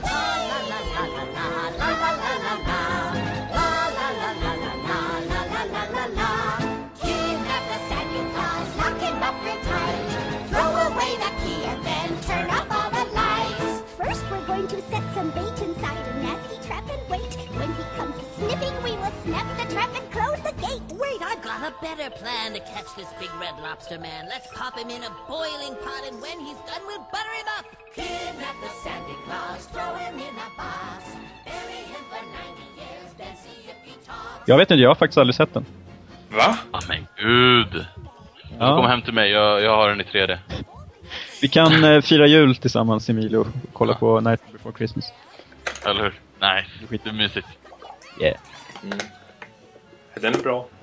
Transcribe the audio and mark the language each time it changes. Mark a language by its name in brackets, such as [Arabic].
[English] La la la la la la la la la la la la la la la la la la la la la la. Kidnap the Santa Claus, lock him up real tight. Throw away the key and then turn off all the lights. First we're going to set some bait inside a nasty trap and wait. When he comes sniffing, we will snap the trap and close the gate. Wait, I've got a better plan to catch this big red lobster man. Let's pop him in a boiling pot, and when he's done, we'll butter him up. Kidnap the Santa Claus, throw him in a box. Bury him for 90 years, then see if he talks. [Swedish] Jag vet inte, jag har faktiskt aldrig sett den. Va? Oh, men gud. Ja. Kom hem till mig, jag har den i 3D. Vi kan fira jul tillsammans, Emilio, och kolla på Night Before Christmas. Eller hur? Nej, det är skitmysigt. [English] Yeah. [Swedish] Mm. Den är bra.